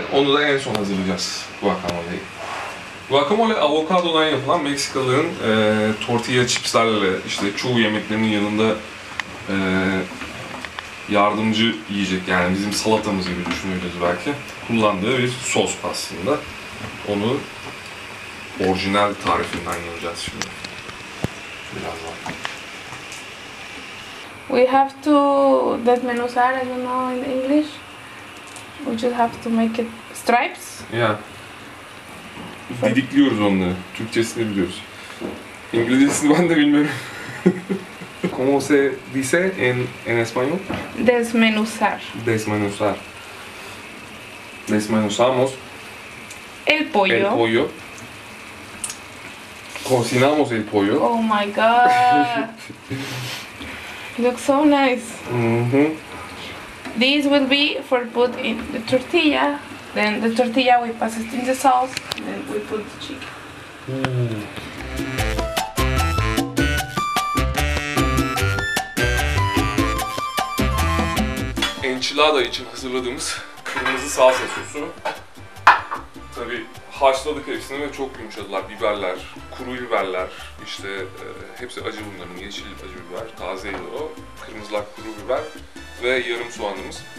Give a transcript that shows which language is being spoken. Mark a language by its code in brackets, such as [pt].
[tr] Onu da en son hazırlayacağız guacamole'yi. Guacamole avokadodan yapılan Meksikalıların tortilla chipslerle işte çoğu yemeklerinin yanında yardımcı yiyecek yani bizim salatamız gibi düşünebiliriz belki. Kullandığı bir sos aslında. Onu orijinal tarifinden yiyeceğiz şimdi. Biraz var. [en] We have to desmenuzar, I don't know in English. We just have to make it stripes. [tr] Yeah. Didikliyoruz onu. Türkçesini biliyoruz. İngilizcesini ben de bilmiyorum. [es] ¿Cómo se dice en español? Desmenuzar. Desmenuzar. Desmenuzamos. El pollo. El pollo. Cocinamos el pollo. [en] Oh my god. Looks so nice. This will be for put in the tortilla. Then the tortilla we pass it in the sauce and then we put the chicken. [tr] Enchilada için hazırladığımız kırmızı salça sosu. Tabii haşladık hepsini ve çok yumuşadılar. Biberler, kuru biberler, işte hepsi acı bunların. Yeşil acı biber, tazeydi o. Kırmızılar, kuru biber ve yarım soğanımız.